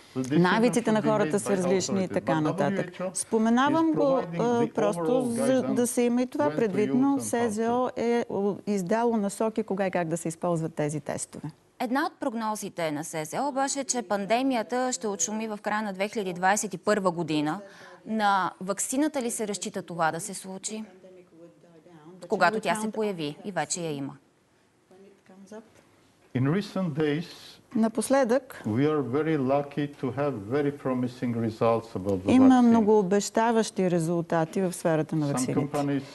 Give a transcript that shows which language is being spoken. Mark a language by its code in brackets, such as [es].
[bg] Навиците на хората са различни и така нататък. Споменавам го просто за да се има и това предвид, но СЗО е издало насоки кога и как да се използват тези тестове. Една от прогнозите на СЗО беше, че пандемията ще отшуми в края на 2021 година. На ваксината ли се разчита това да се случи, когато тя се появи и вече я има? [en] In recent days, [bg] напоследък [en] we are very lucky to have very promising results about the [bg] има много обещаващи резултати в сферата на ваксините.